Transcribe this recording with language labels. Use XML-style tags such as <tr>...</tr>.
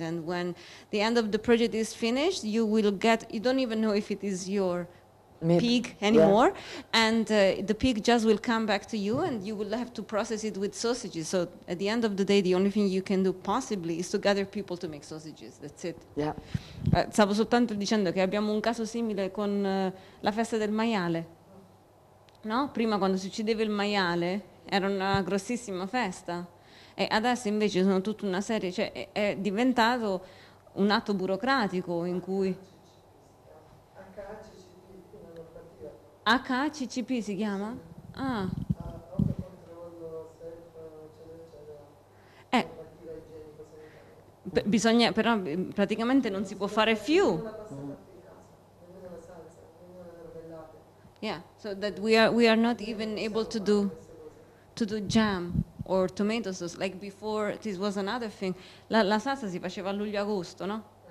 <en>And when the end of the project is finished, you don't even know if it is your meat. Pig anymore. Yeah. And the pig just will come back to you, and you will have to process it with sausages. So at the end of the day, the only thing you can do possibly is to gather people to make sausages. That's it. Yeah.</en> <it>Stavo soltanto dicendo che abbiamo un caso simile con la festa del maiale. No? Prima, quando si uccideva il maiale, era una grossissima festa. E adesso invece sono tutta una serie, cioè è diventato un atto burocratico in cui... HACCP si chiama? Ah. Bisogna, però praticamente non si può fare più.</it> <en>Yeah, so that we are not even able to do jam or tomato sauce like before. This was another thing.</en> <it>La salsa si faceva a luglio agosto, no?</it>